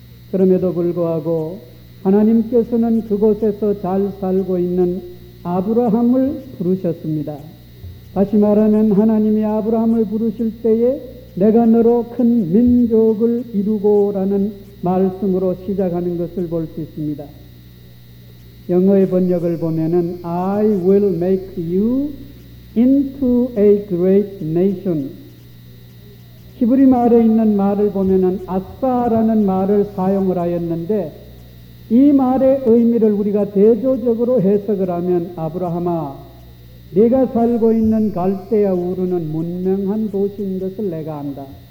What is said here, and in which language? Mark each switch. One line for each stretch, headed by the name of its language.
Korean: 그럼에도 불구하고 하나님께서는 그곳에서 잘 살고 있는 아브라함을 부르셨습니다. 다시 말하면 하나님이 아브라함을 부르실 때에 내가 너로 큰 민족을 이루고 라는 말씀으로 시작하는 것을 볼 수 있습니다. 영어의 번역을 보면은
English: I will make you into a great nation.
Korean: 히브리 말에 있는 말을 보면은 아싸라는 말을 사용을 하였는데 이 말의 의미를 우리가 대조적으로 해석을 하면 아브라함아, 네가 살고 있는 갈대아 우르는 문명한 도시인 것을 내가 안다.